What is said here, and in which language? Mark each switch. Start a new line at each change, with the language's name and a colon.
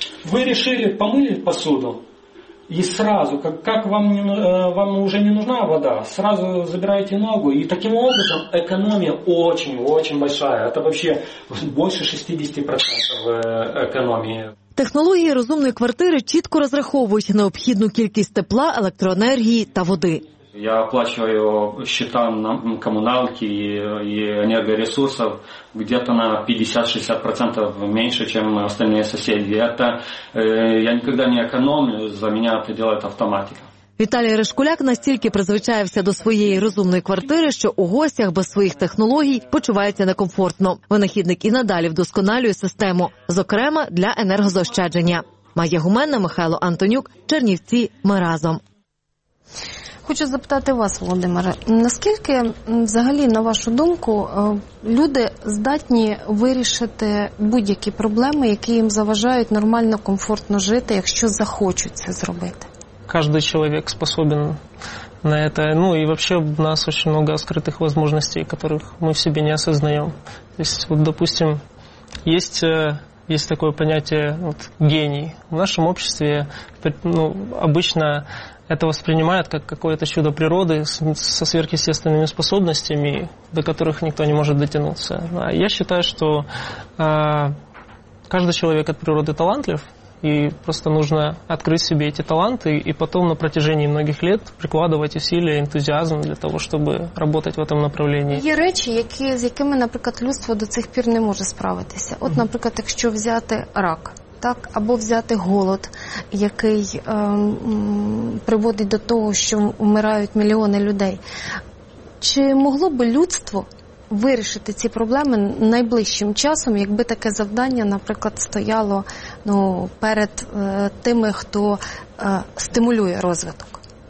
Russian: Вы решили помыли посуду и сразу, как вам уже не нужна вода, сразу забираете ногу. И таким образом экономия очень-очень большая. Это вообще больше 60% экономии.
Ukrainian: Технології розумної квартири чітко розраховують необхідну кількість тепла, електроенергії та води.
Russian: Я оплачиваю счета на коммуналки и энергоресурсов где-то на 50-60% меньше, чем остальные соседи. Это я никогда не экономлю, за меня это делает автоматика.
Ukrainian: Віталій Решкуляк настільки призвичаєвся до своєї розумної квартири, що у гостях без своїх технологій почувається некомфортно. Винахідник і надалі вдосконалює систему, зокрема для енергозаощадження. Майя Гуменна, Михайло Антонюк, Чернівці, ми разом. Хочу запитати вас, Володимире, наскільки, взагалі, на вашу думку, люди здатні вирішити будь-які проблеми, які їм заважають нормально, комфортно жити, якщо захочуть це зробити? Кожен чоловік
Russian: способен на это. Ну и вообще у нас очень много скрытых возможностей, которых мы в себе не осознаем. То есть, вот, допустим, есть такое понятие гений. В нашем обществе обычно это воспринимают как какое-то чудо природы со сверхъестественными способностями, до которых никто не может дотянуться. Я считаю, что каждый человек от природы талантлив, и просто нужно открыть себе эти таланты и потом на протяжении многих лет прикладывать усилия, энтузиазм для того, чтобы работать в этом направлении.
Ukrainian: Є речі, які, з якими, наприклад, людство до цих пір не може справитися. От, наприклад, якщо взяти рак. Так, або взяти голод, який приводить до того, що вмирають мільйони людей. Чи могло би людство вирішити ці проблеми найближчим часом, якби таке завдання, наприклад, стояло перед тими, хто стимулює розвиток?